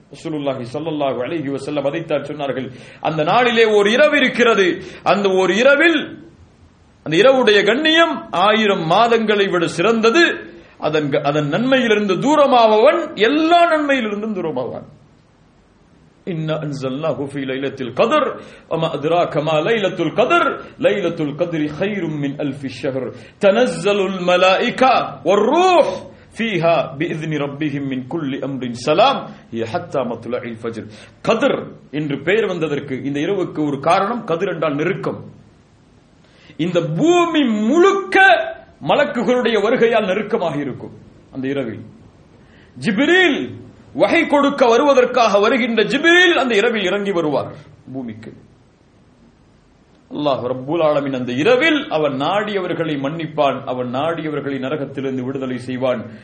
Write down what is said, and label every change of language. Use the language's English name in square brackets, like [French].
[Tamil] ரசூலுல்லாஹி ஸல்லல்லாஹு அலைஹி வஸல்லம் அதைத்தான் சொன்னார்கள். அந்த நாளிலே ஒரு இரவு இருக்கிறது. அந்த ஒரு இரவில் அந்த இரவுடைய கண்ணியம் 1000 மாதங்களை விட சிறந்தது. அதன் நன்மையிலிருந்து தூரமாவவன் எல்லா நன்மையிலிருந்தும் தூரமாவான். [Arabic] إِنَّا أَنزَلْنَاهُ فِي لَيْلَةِ الْقَدْرِ وَمَا أَدْرَاكَ مَا لَيْلَةُ الْقَدْرِ لَيْلَةُ الْقَدْرِ خَيْرٌ مِنْ أَلْفِ شَهْرٍ تَنَزَّلُ الْمَلَائِكَةُ وَالرُّوحُ فِيهَا بِإِذْنِ رَبِّهِمْ مِنْ كُلِّ أَمْرٍ سَلَامٌ هِيَ حَتَّى مَطْلَعِ الْفَجْرِ قَدْر [Tamil] என்று பெயர் வந்ததற்கு இந்த இரவுக்கு ஒரு காரணம் கதிர் என்றால் நெருக்கம். இந்த பூமி முழுக்க மலக்குகளுடைய வருகையால் நெருக்கமாக இருக்கும். அந்த இரவில் ஜிப்ரீல் வகை கொடுக்க வருவதற்காக வருகின்ற ஜிப்ரீல் அந்த இரவில் இறங்கி வருவார் பூமிக்கு. அல்லாஹ் ரப்பல் ஆலமீன் அந்த இரவில் அவன் நாடியவர்களை மன்னிப்பான், அவன் நாடியவர்களை நரகத்திலிருந்து விடுதலை செய்வான்.